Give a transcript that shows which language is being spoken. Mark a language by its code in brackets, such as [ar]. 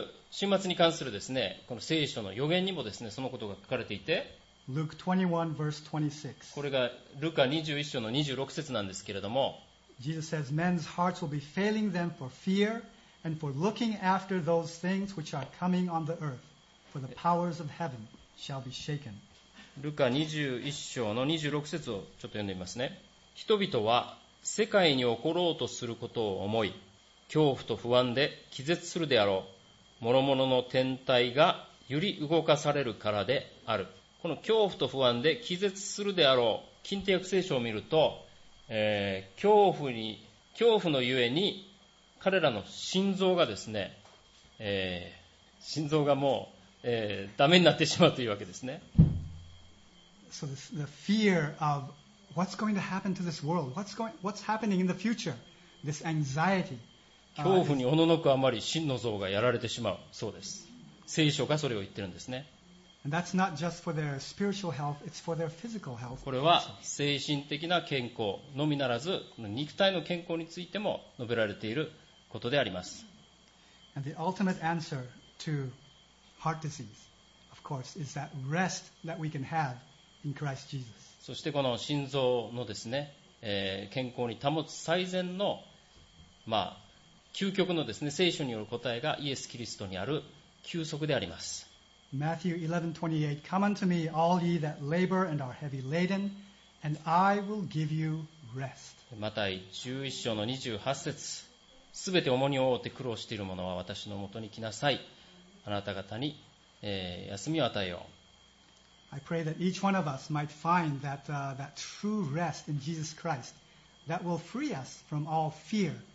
[ja] 週末に関するですね、この聖書の予言にもですね、そのことが書かれていて、 [en] Luke 21, verse 26. [ja] これがルカ21章の26節なんですけれども、 [en] Jesus says, men's hearts will be failing them for fear and for looking after those things which are coming on the earth, for the powers of heaven shall be shaken. [ja] ルカ21章の26節をちょっと読んでみますね。人々は世界に起ころうとすることを思い、恐怖と不安で気絶するであろう。諸々の天体が揺り動かされるからである。この恐怖と不安で気絶するであろう、近代聖書を見ると、恐怖のゆえに彼らの心臓がですね、心臓がもう、ダメになってしまうというわけですね。 [en] So this, the fear of what's going to happen to this world, what's happening in the future, this anxiety、 [ja] 恐怖におののくあまり真の像がやられてしまうそうです。聖書がそれを言ってるんですね。 [en] And that's not just for their spiritual health, it's for their physical health. [ja] これは精神的な健康のみならず、この肉体の健康についても述べられていることであります。 [en] And the ultimate answer to heart disease, of course, is that rest that we can have in Christ Jesus. [ja] そしてこの心臓のですね、健康に保つ最善の、究極のですね、聖書による答えがイエス・キリストにある休息であります。 [en] Matthew 11:28, Come unto me, all ye that labor and are heavy laden, and I will give you rest. [ja] マタイ11章の28節、すべて重荷を負って苦労している者は私のもとに来なさい、あなた方に、休みを与えよう。 [en] I pray that each one of us might find that, that true rest in Jesus Christ that will free us from all fear.